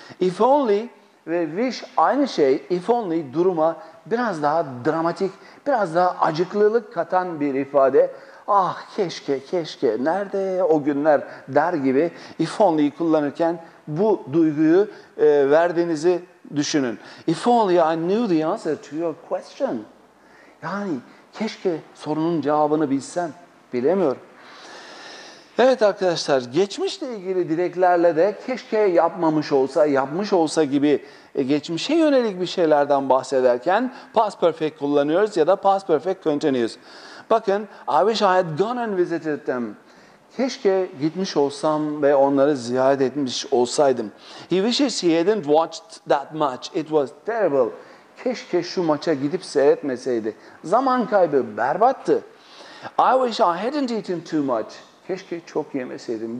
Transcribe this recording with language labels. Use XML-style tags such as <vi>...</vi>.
<tr>If only ve wish aynı şey. If only duruma biraz daha dramatik, biraz daha acıklılık katan bir ifade. Ah keşke, keşke, nerede o günler der gibi if only'yi kullanırken bu duyguyu verdiğinizi düşünün.</tr> <en>If only I knew the answer to your question.</en> <tr>Yani keşke sorunun cevabını bilsem, bilemiyorum. Evet arkadaşlar, geçmişle ilgili dileklerle de keşke yapmamış olsa, yapmış olsa gibi geçmişe yönelik bir şeylerden bahsederken past perfect kullanıyoruz ya da past perfect continuous.</tr> <en>Bakın, I wish I had gone and visited them.</en> <tr>Keşke gitmiş olsam ve onları ziyaret etmiş olsaydım.</tr> <en>He wishes he hadn't watched that match. It was terrible.</en> <tr>Keşke şu maça gidip seyretmeseydi. Zaman kaybı berbattı.</tr> <en>I wish I hadn't eaten too much.</en> <tr>Keşke çok yemeseydim.</tr>